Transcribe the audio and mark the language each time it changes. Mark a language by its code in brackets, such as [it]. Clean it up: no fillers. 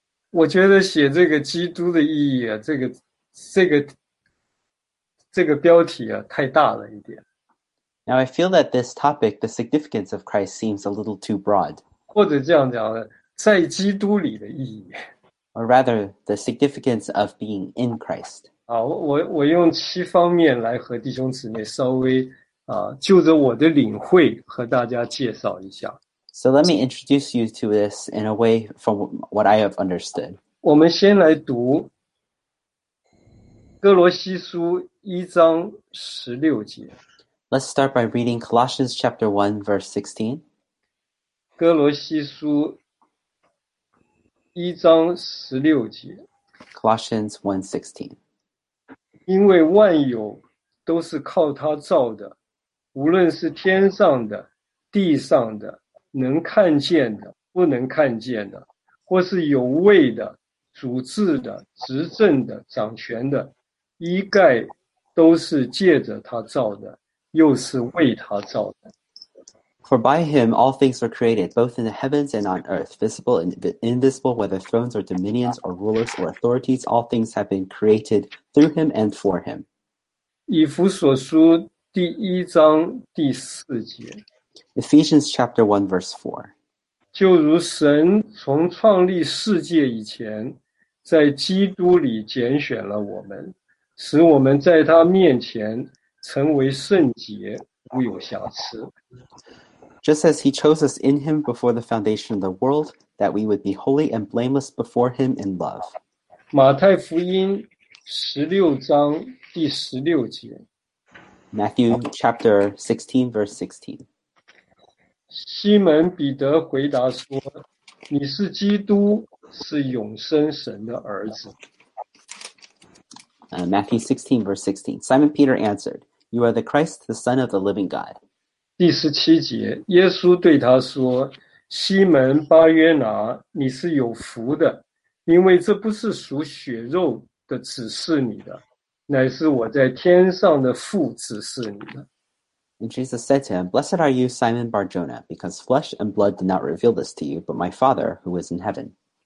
[zh] 我觉得写这个基督的意义啊，这个这个标题啊，太大了一点。 [en] Now I feel that this topic, the significance of Christ, seems a little too broad. [zh] 或者这样讲，在基督里的意义。 [en] Or rather, the significance of being in Christ. [zh] 我用七方面来和弟兄姊妹稍微就着我的领会和大家介绍一下。 [en] So let me introduce you to this in a way from what I have understood. [zh] 我们先来读哥罗西书一章十六节。 [en] Let's start by reading Colossians chapter 1, verse 16. [zh] 哥罗西书一章十六节。 [en] Colossians 1:16. [zh] 因为万有都是靠他造的，无论是天上的、地上的、能看见的、不能看见的，或是有位的、主治的、执政的、掌权的，一概都是借着他造的，又是为他造的。 [en] For by him all things were created, both in the heavens and on earth, visible and invisible, whether thrones or dominions or rulers or authorities, all things have been created through him and for him. [zh] 以弗所书第一章第四节。 [en] Ephesians chapter 1 verse 4. [zh] 就如神从创立世界以前，在基督里拣选了我们，使我们在他面前成为圣洁，无有瑕疵。 [en] Just as he chose us in him before the foundation of the world, that we would be holy and blameless before him in love. [zh] 马太福音十六章第十六节。 [en] Matthew chapter 16 verse 16. [zh] 西门彼得回答说，你是基督，是永生神的儿子。 [en] Matthew 16 verse 16. Simon Peter answered, You are the Christ, the Son of the living God. [zh] 第十七节，耶稣对他说，西门巴约拿，你是有福的，因为这不是属血肉的指示你的，乃是我在天上的父指示你的。 [en] And Jesus said to him, Blessed are you, Simon Barjona, because flesh and blood did not reveal this to you, but my Father who is in heaven.